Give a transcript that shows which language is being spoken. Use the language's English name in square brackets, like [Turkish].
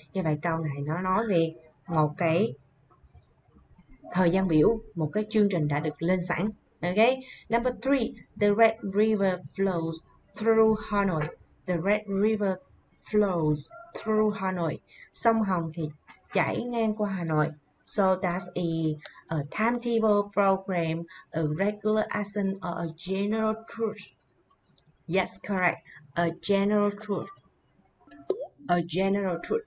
[Vietnamese] Như vậy câu này nó nói về một cái thời gian biểu, một cái chương trình đã được lên sẵn. [English] Okay. Number 3, the Red River flows through Hanoi. The Red River flows through Hanoi. [Vietnamese] Sông Hồng thì chảy ngang qua Hà Nội. [English] So that's a timetable program, a regular action or a general tour. Yes, correct. A general tour. A general tour.